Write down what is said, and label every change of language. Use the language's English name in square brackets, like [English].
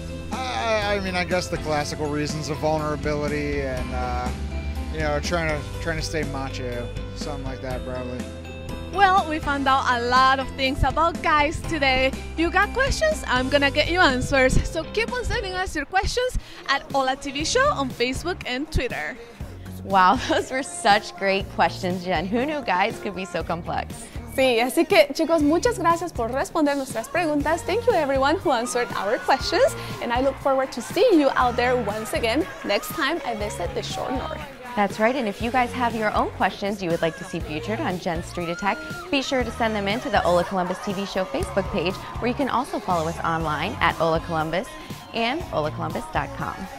[English] I guess the classical reasons of vulnerability and trying to stay macho, something like that, probably. Well, we found out a lot of things about guys today. You got questions? I'm going to get you answers. So keep on sending us your questions at Hola TV Show on Facebook and Twitter. Wow, those were such great questions, Jen. Who knew guys could be so complex? [Spanish] Sí, así que, chicos, muchas gracias por responder nuestras preguntas. [English] Thank you, everyone who answered our questions. And I look forward to seeing you out there once again next time I visit the Shore North. That's right, and if you guys have your own questions you would like to see featured on Jen's Street Attack, be sure to send them in to the Hola Columbus TV Show Facebook page, where you can also follow us online at Hola Columbus and holacolumbus.com.